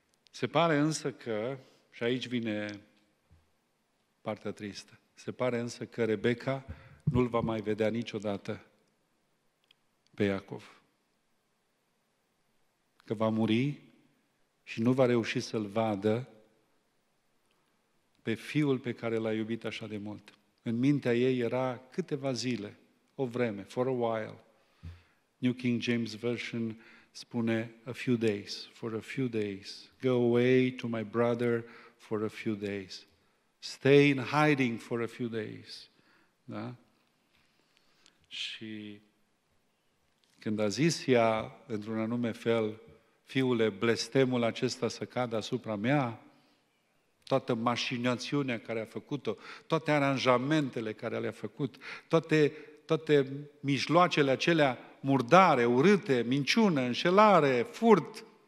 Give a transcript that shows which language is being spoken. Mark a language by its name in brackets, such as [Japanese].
[Romanian] Se pare însă că, și aici vine partea tristă, se pare însă că Rebeca nu-l va mai vedea niciodată pe Iacov. Că va muri și nu va reuși să-l vadă pe fiul pe care l-a iubit așa de mult. În mintea ei era câteva zile, o vreme, [English] for a while. New King James Version spune a few days, for a few days. Go away to my brother for a few days. Stay in hiding for a few days. [Romanian] Da? Și când a zis ea, într-un anume fel, fiule, blestemul acesta să cadă asupra mea, toată mașinațiunea care a făcut-o, toate aranjamentele care le-a făcut, toate mijloacele acelea, murdare, urâte, minciună, înșelare, furt,